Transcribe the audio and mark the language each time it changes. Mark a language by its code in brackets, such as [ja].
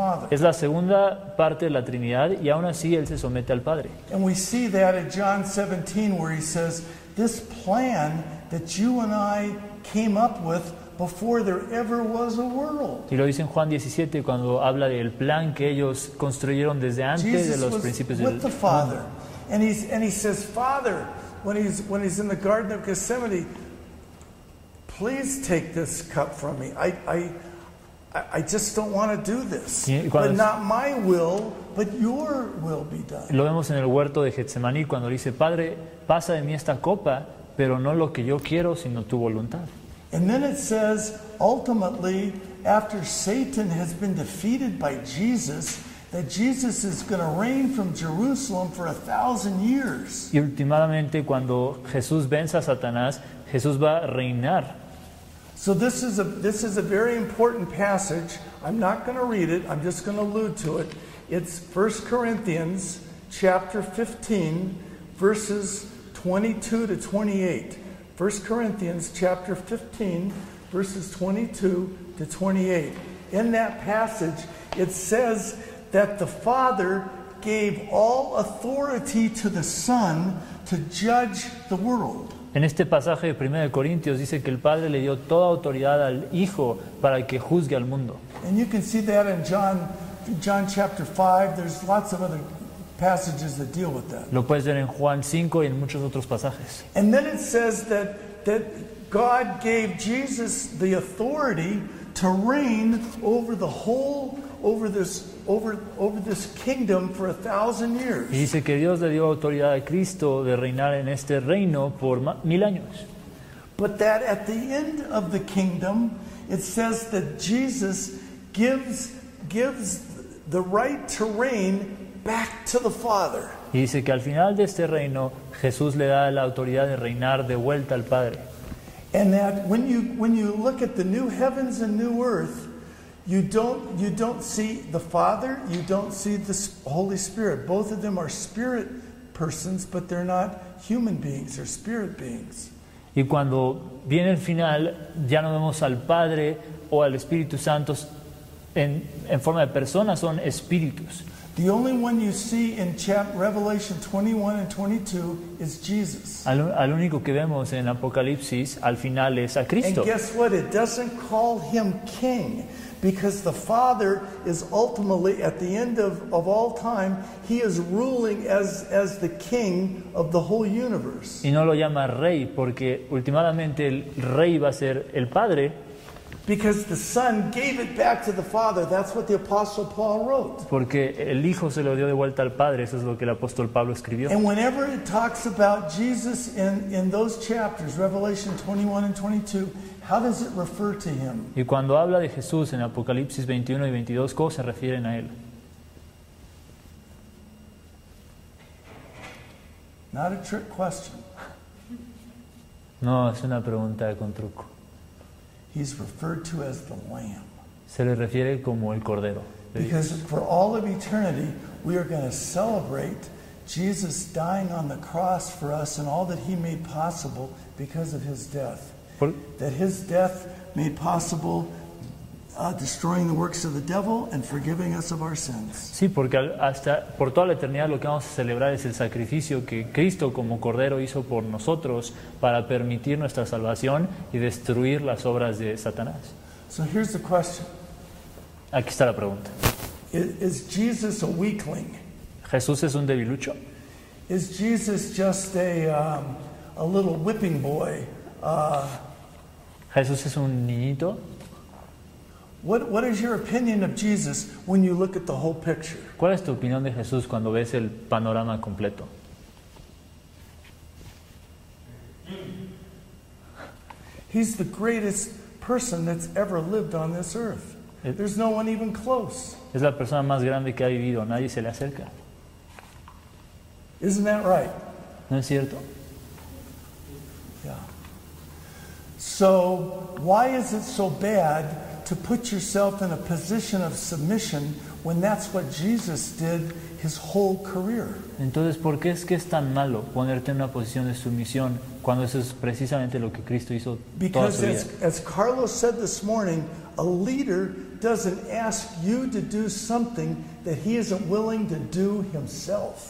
[es] Es la segunda parte de la Trinidad y aún así Él se somete al Padre. [en] And we see that in John 17 where he says, "This plan that you and I came up with before there ever was a world." [es] Y lo dice en Juan 17 cuando habla del plan que ellos construyeron desde antes [en] Jesus [es] de los principios del mundo. [en] And he says, "Father," when he's in the Garden of Gethsemane, "Please take this cup from me. I just don't want to do this. But not my will, but your will be done." [es] Lo vemos en el huerto de Getsemaní cuando dice, "Padre, pasa de mí esta copa, pero no lo que yo quiero, sino tu voluntad." [en] And then it says, ultimately, after Satan has been defeated by Jesus, that Jesus is going to reign from Jerusalem for 1,000 years. [es] Y últimamente, cuando Jesús vence a Satanás, Jesús va a reinar. [en] So this is a very important passage. I'm not going to read it. I'm just going to allude to it. It's 1 Corinthians chapter 15, verses 22 to 28. 1 Corinthians chapter 15, verses 22 to 28. In that passage, it says that the Father gave all authority to the Son to judge the world. [es] En este pasaje de 1 Corintios dice que el Padre le dio toda autoridad al Hijo para que juzgue al mundo. [en] And you can see that in John chapter 5. There's lots of other passages that deal with that. [es] Lo puedes ver en Juan 5 y en muchos otros pasajes. [en] And then it says that God gave Jesus the authority to reign over the whole, over this kingdom for 1,000 years. [es] Y dice que Dios le dio autoridad a Cristo de reinar en este reino por 1,000 años. [en] But that at the end of the kingdom, it says that Jesus gives the right to reign back to the Father. [es] Y dice que al final de este reino, Jesús le da la autoridad de reinar de vuelta al Padre. [en] And that when you look at the new heavens and new earth, you don't see the Father, you don't see the Holy Spirit. Both of them are spirit persons, but they're not human beings, they're spirit beings. [es] Y cuando viene el final, ya no vemos al Padre o al Espíritu Santo en forma de persona, son espíritus. [en] The only one you see in Revelation 21 and 22 is Jesus. [es] Al único que vemos en Apocalipsis al final es a Cristo. [en] And guess what? It doesn't call him king, because the Father is ultimately at the end of all time, he is ruling as the king of the whole universe. [es] Y no lo llama rey porque últimamente el rey va a ser el Padre. [en] Because the Son gave it back to the Father. That's what the Apostle Paul wrote. [es] Porque el Hijo se lo dio de vuelta al Padre. Eso es lo que el apóstol Pablo escribió. [en] And whenever it talks about Jesus in those chapters, Revelation 21 and 22, how does it refer to him? [es] Y cuando habla de Jesús en Apocalipsis 21 y 22, ¿cómo se refieren a él? [en] Not a trick question. [es] No, es una pregunta con truco. [en] He's referred to as the Lamb. [es] Se le refiere como el Cordero. [en] Because for all of eternity, we are going to celebrate Jesus dying on the cross for us and all that he made possible because of his death. That his death made possible destroying the works of the devil and forgiving us of our sins. [es] Sí, porque hasta por toda la eternidad lo que vamos a celebrar es el sacrificio que Cristo como Cordero hizo por nosotros para permitir nuestra salvación y destruir las obras de Satanás. [en] So here's the question. [es] Aquí está la pregunta. [en] Is Jesus a weakling? [es] ¿Jesús es un debilucho? [en] Is Jesus just a little whipping boy? [es] ¿Jesús es un niñito? [en] What is your opinion of Jesus when you look at the whole picture? [es] ¿Cuál es tu opinión de Jesús cuando ves el panorama completo? [en] He's the greatest person that's ever lived on this earth. There's no one even close. [es] Es la persona más grande que ha vivido. Nadie se le acerca. [en] Isn't that right? [es] ¿No es cierto? [en] Yeah. So why is it so bad to put yourself in a position of submission when that's what Jesus did his whole career? [es] Entonces, ¿por qué es que es tan malo ponerte en una posición de sumisión cuando eso es precisamente lo que Cristo hizo toda su vida? [en] Because as Carlos said this morning, a leader doesn't ask you to do something that he isn't willing to do himself.